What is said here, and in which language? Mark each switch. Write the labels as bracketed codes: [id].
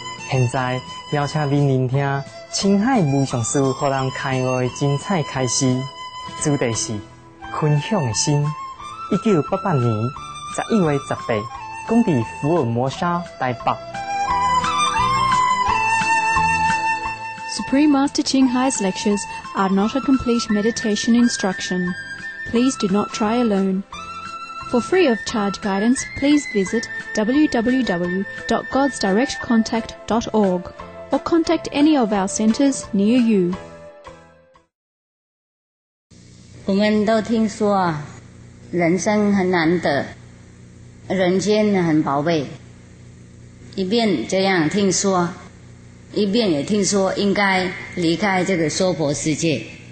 [zh] 现在邀请您聆听青海无常师给人开悟的精彩开始，主题是分享的心。 1988年11月18日，讲在福尔摩沙台北。 [en] Supreme Master Qinghai's lectures are not a complete meditation instruction. Please do not try alone. For free of charge guidance, please visit www.godsdirectcontact.org or contact any of our centers near you. [zh] 我们都听说啊，人生很难得，人间很宝贝。一边这样听说，一边也听说应该离开这个娑婆世界。